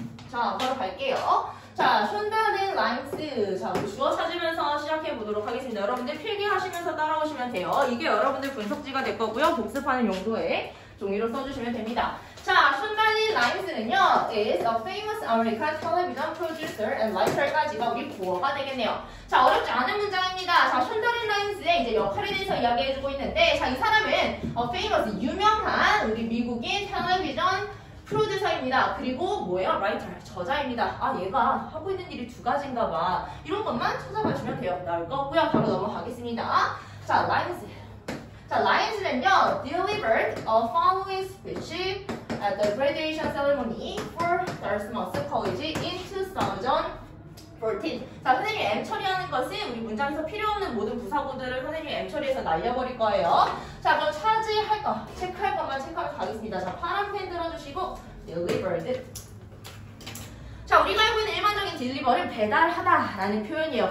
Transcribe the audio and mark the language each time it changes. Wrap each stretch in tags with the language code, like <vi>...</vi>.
<ko>자, 바로 갈게요. 자, 촌다 린 라인즈. 자, 주어 찾으면서 시작해 보도록 하겠습니다. 여러분들 필기하시면서 따라오시면 돼요. 이게 여러분들 분석지가 될 거고요. 복습하는 용도에 종이로 써주시면 됩니다. 자, 촌다 린 라인즈는요.</ko> <en>is a famous American television producer and writer</en> <ko>까지가 우리 부어가 되겠네요. 자, 어렵지 않은 문장입니다. 자, 촌다 린 라인즈의 이제 역할에 대해서 이야기해 주고 있는데, 자, 이 사람은 famous, 유명한 우리 미국인 텔레비전 프로듀서입니다. 그리고 뭐예요? 라이터, 저자입니다. 아, 얘가 하고 있는 일이 두 가지인가 봐. 이런 것만 찾아봐주면 돼요. 나올 거고요. 바로 넘어가겠습니다. 자, 라인즈. 자, 라인즈는요.</ko> <en>delivered a following speech at the graduation ceremony for Dartmouth College in 2014.</en> <ko>자, 선생님 M 처리하는 것은 우리 문장에서 필요없는 모든 부사구들을 선생님이 M 처리해서 날려버릴 거예요. 자, 그럼 차지할 거, 체크할 것만 체크하고 가겠습니다. 자, 파란 펜 들어주시고 delivered. 자, 우리가 알고 있는 일반적인 deliver는 배달하다 라는 표현이에요.</ko>